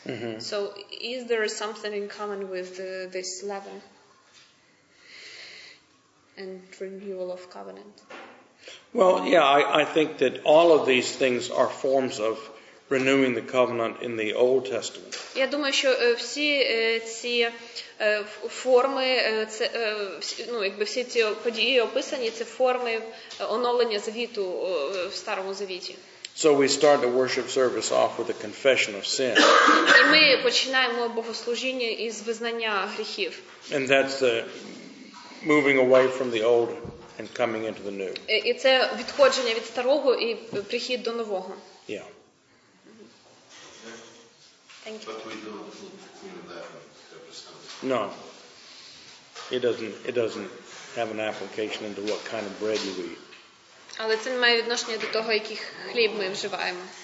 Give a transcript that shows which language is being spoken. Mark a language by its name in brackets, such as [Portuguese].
[English] Mm-hmm. So is there something in common with this leaven and renewal of covenant? Well, yeah, I think that all of these things are forms of renewing the covenant in the Old Testament. [Ukrainian] Я думаю, що всі ці форми, це ну, якби всі ці події описані, це форми оновлення завіту в Старому Завіті. [English] So we start the worship service off with a confession of sin. [Ukrainian] І ми починаємо богослужіння із визнання гріхів. [English] And that's the moving away from the old and coming into the new. [Ukrainian] І це відходження від старого і прихід до нового. [English] Yeah. Thank you. But we don't need that kind of stuff. No. It doesn't have an application into what kind of bread you eat. [Ukrainian] Але це не має відношення до того, який хліб ми вживаємо.